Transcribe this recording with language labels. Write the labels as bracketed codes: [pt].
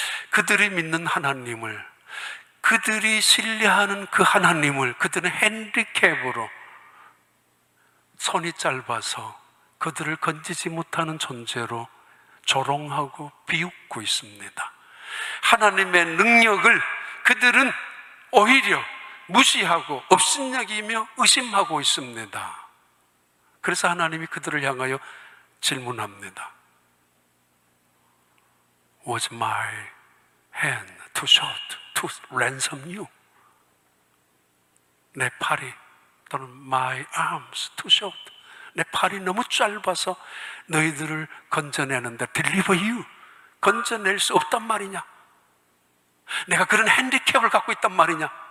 [ko] 그들이 믿는 하나님을, 그들이 신뢰하는 그 하나님을, 그들은 핸디캡으로 손이 짧아서 그들을 건지지 못하는 존재로 조롱하고 비웃고 있습니다. 하나님의 능력을 그들은 오히려 무시하고 업신여기며 의심하고 있습니다. 그래서 하나님이 그들을 향하여 질문합니다. [en] Was my hand too short to ransom you? [ko] 내 팔이, 또는 [en] my arms too short, [ko] 내 팔이 너무 짧아서 너희들을 건져내는데 [en] deliver you, [ko] 건져낼 수 없단 말이냐? 내가 그런 핸디캡을 갖고 있단 말이냐?